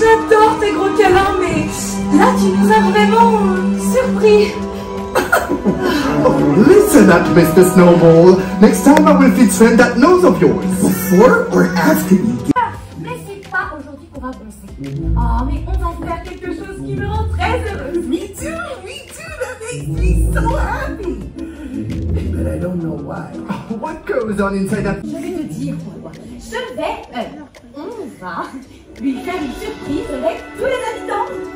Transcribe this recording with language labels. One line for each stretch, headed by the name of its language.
French: J'adore tes gros câlins, mais là, tu nous as vraiment surpris.
English: Oh, listen up, Mr. Snowball. Next time I will fit friend that nose of yours. Before or after you get...
French: Oh, mais on va faire quelque chose qui me rend très heureuse.
English: Me too, that makes me so happy. But I don't know why. What goes on inside that...
French: Je vais te dire pourquoi. Je vais, on va lui faire une surprise avec tous les habitants.